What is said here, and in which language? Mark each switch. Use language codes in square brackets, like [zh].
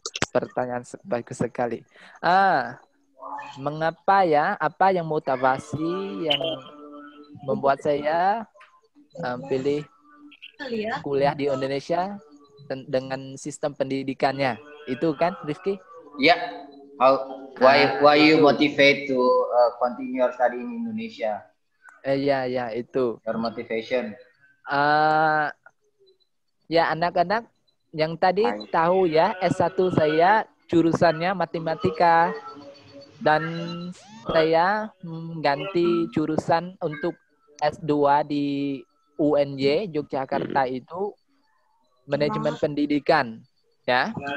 [id] Pertanyaan bagus sekali. Mengapa ya? Apa yang motivasi yang membuat saya pilih kuliah di Indonesia dengan sistem pendidikannya. Itu kan, Rifki? Ya. [en] Why you motivate to continue your study in Indonesia? [id] Itu. [en] Your motivation. [id] Anak-anak yang tadi tahu ya, S1 saya jurusannya matematika. Dan saya ganti jurusan untuk S2 di UNJ Yogyakarta itu manajemen pendidikan ya.